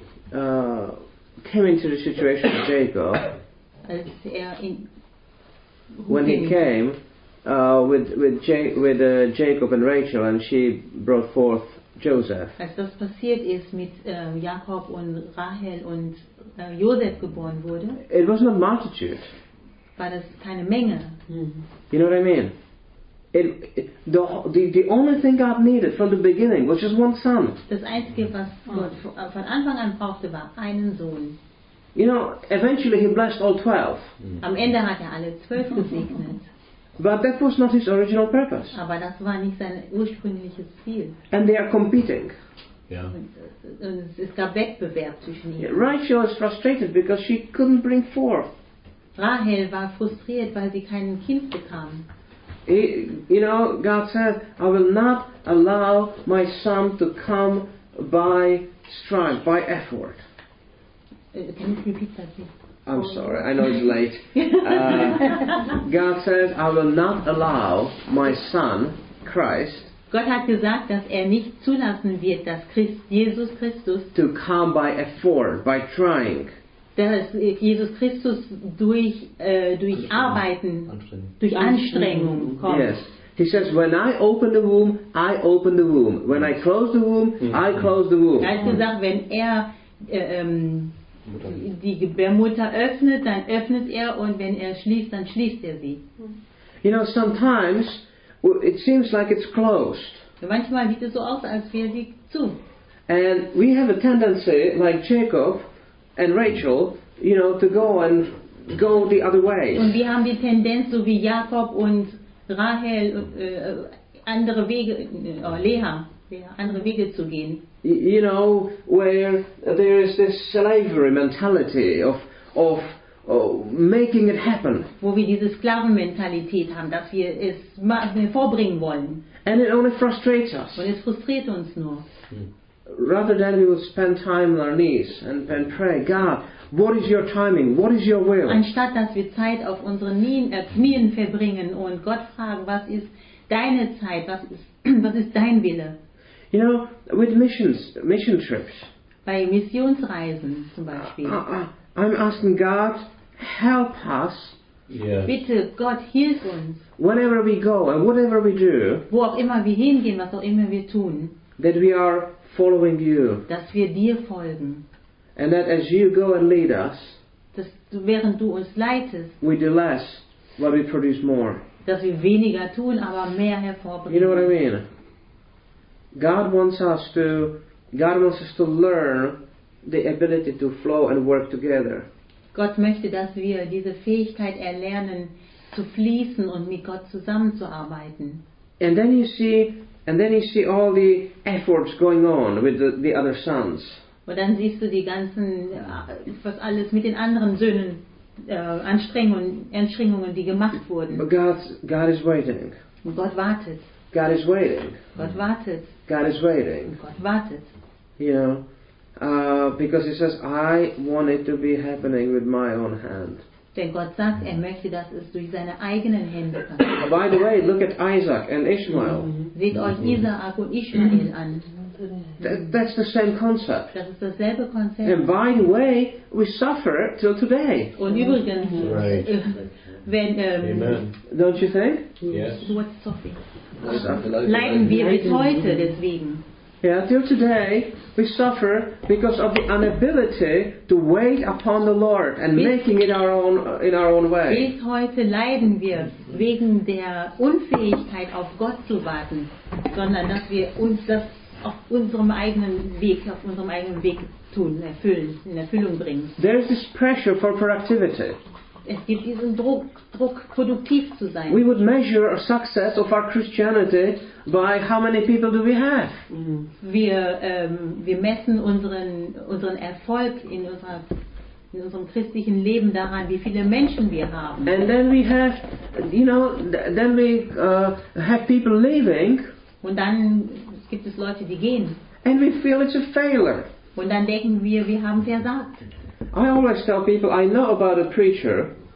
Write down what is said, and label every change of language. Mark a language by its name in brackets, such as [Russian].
[English] came into the situation of Jacob, when he came with Jacob and Rachel, and she brought forth Joseph. [German] Als das passiert ist mit Jakob und Rahel und Joseph geboren wurde. [English] It was not multitude. [German] War das keine Menge. [English] You know what I mean? The only thing God needed from the beginning was just one son. [German] Das einzige, was Gott von Anfang an brauchte, war einen Sohn. [English] You know, eventually he blessed all 12. [German] Am Ende hat alle 12 gesegnet. [English] But that was not his original purpose. [German] Aber das war nicht sein ursprüngliches Ziel. [English] And they are competing. Yeah. [German] Und es gab Wettbewerb zwischen ihnen. [English] Rachel is frustrated because she couldn't bring forth. [German] Rahel war frustriert, weil sie kein Kind bekam. [English] You know, God said, I will not allow my son to come by strength, by effort. Can you repeat that please? I'm sorry, I know it's late. God says, I will not allow my son, Christ, Gott hat gesagt, dass nicht zulassen wird, dass Jesus Christus to come by effort, by trying. Dass Jesus Christus durch Arbeiten, durch Anstrengung kommt. Yes. He says, when I open the womb, I open the womb. When I close the womb, I close the womb. [German] Er hat gesagt, wenn die Gebärmutter öffnet, dann öffnet und wenn schließt, dann schließt sie. [English] You know, sometimes it seems like it's closed. [German] Manchmal sieht es so aus, als wäre sie zu. [English] And we have a tendency, like Jacob and Rachel, you know, to go the other way. [German] Und wir haben die Tendenz, so wie Jakob und Rahel, andere Wege, Leah. Andere Wege zu gehen. [English] You know, where there is this slavery mentality of making it happen. [German] Wo wir diese Sklavenmentalität haben, dass wir es vorbringen wollen. [English] And it only frustrates us. [German] Und es frustriert uns nur. [English] Rather than we would spend time on our knees and pray, God, what is your timing? What is your will? [German] Anstatt dass wir Zeit auf unseren Knien verbringen und Gott fragen, was ist deine Zeit? Was ist dein Wille? [English] You know, with mission trips. [German] Bei Missionsreisen zum Beispiel. [English] I'm asking God, help us. Yes. [German] Bitte, Gott, hilf uns. [English] Whenever we go and whatever we do. [German] Wo auch immer wir hingehen, was auch immer wir tun. [English] That we are following you. [German] Dass wir dir folgen. [English] And that as you go and lead us. [German] Dass du, während du uns leitest. [English] We do less, but we produce more. [German] Dass wir weniger tun, aber mehr hervorbringen. [English] You know what I mean? God wants us to learn the ability to flow and work together. [German] Gott möchte, dass wir diese Fähigkeit erlernen, zu fließen und mit Gott zusammenzuarbeiten. [English] And then you see all the efforts going on with the other sons. [German] Und dann siehst du die ganzen, was alles mit den anderen Söhnen Anstrengungen, die gemacht wurden. [English] But God is waiting. [German] Und Gott wartet. [English] God is waiting. [German] Gott wartet. [English] God is waiting. [German] Gott wartet. [English] You know, because he says, I want it to be happening with my own hand. [German] Denn Gott sagt, möchte, dass es durch seine eigenen Hände passiert. [English] By the way, look at Isaac and Ishmael. [German] Seht euch Isaac und Ishmael an. [English] That's the same concept. [German] Das ist dasselbe Konzept. [English] And by the way, we suffer till today. [German] Und übrigens, wenn, [English] Amen. Don't you think? Yes. What's suffering? [German] Leiden wir bis heute deswegen. [English] Yeah, till today we suffer because of the inability to wait upon the Lord and making it in our own way. [German] Bis heute leiden wir wegen der Unfähigkeit auf Gott zu warten, sondern dass wir uns das auf unserem eigenen Weg tun, erfüllen, in Erfüllung bringen. [English] There is this pressure for productivity. [German] Es gibt diesen Druck, produktiv zu sein. [English] We would measure our success of our Christianity by how many people do we have. [German] Wir messen unseren Erfolg in unserem christlichen Leben daran, wie viele Menschen wir haben. [English] And then we have, you know, then we have people leaving. [German] Und dann gibt es Leute, die gehen. [English] And we feel it's a failure. [German] Und dann denken wir haben versagt. [English] I always tell people I know about a preacher.